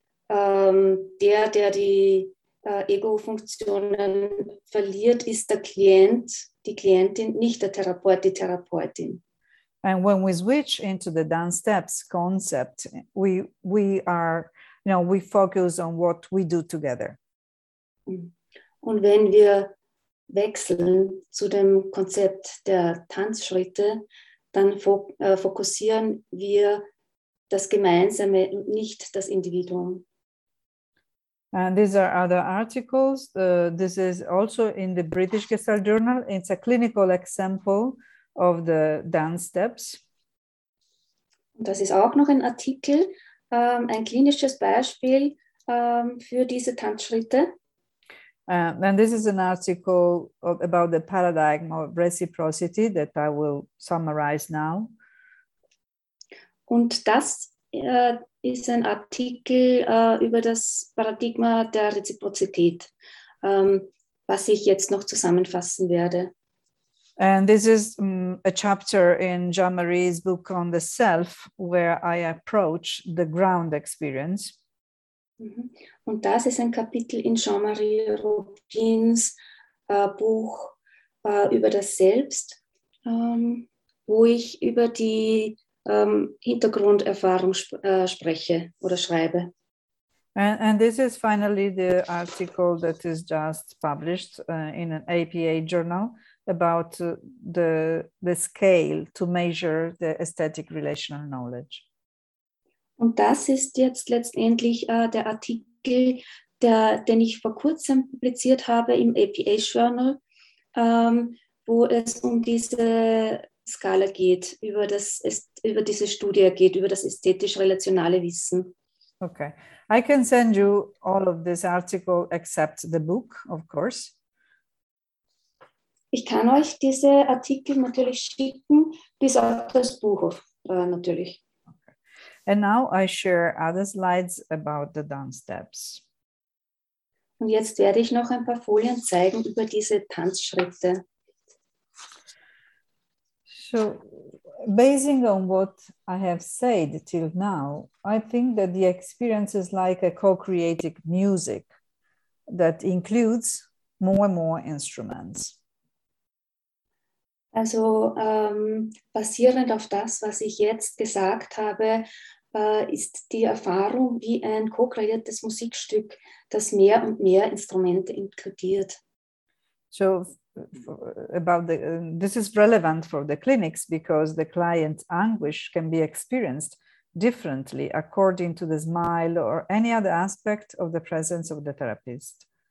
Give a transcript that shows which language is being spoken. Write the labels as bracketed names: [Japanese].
[German] Der die Ego-Funktionen verliert, ist der Klient, die Klientin, nicht der Therapeut, die Therapeutin. [English] And when we switch into the Dance Steps concept, we focus on what we do together. [German] Und wenn wir wechseln zu dem Konzept der Tanzschritte, dann fokussieren wir das Gemeinsame, nicht das Individuum. [English] And these are other articles. This is also in the British Gestalt Journal. It's a clinical example of the dance steps. [German] Das ist auch noch ein Artikel, ein klinisches Beispiel für diese Tanzschritte. [English] And this is an article about the paradigm of reciprocity that I will summarize now. [German] Und das ist ein Artikel über das Paradigma der Reziprozität, was ich jetzt noch zusammenfassen werde. [English] And this is a chapter in Jean-Marie's book on the self, where I approach the ground experience. [German] Und das ist ein Kapitel in Jean-Marie Robins Buch über das Selbst, wo ich über die Hintergrunderfahrung spreche oder schreibe. [English] And this is finally the article that is just published in an APA journal about the scale to measure the aesthetic relational knowledge. [German] Und das ist jetzt letztendlich der Artikel, den ich vor kurzem publiziert habe im APA Journal, wo es um diese Skala geht, über diese Studie geht, über das ästhetisch-relationale Wissen. [English] Okay. I can send you all of this article except the book, of course. [German] Ich kann euch diese Artikel natürlich schicken, bis auf das Buch natürlich. [English] And now I share other slides about the dance steps. [German] Und jetzt werde ich noch ein paar Folien zeigen über diese Tanzschritte. [English] So Basing on what I have said till now, I think that the experience is like a co-creating music that includes more and more instruments. [German] Also basierend auf das, was ich jetzt gesagt habe, ist die Erfahrung wie ein co-kreiertes Musikstück, das mehr und mehr Instrumente inkludiert. [English] So about the this is relevant for the clinics because the client's anguish can be experienced differently according to the smile or any other aspect of the presence of the therapist.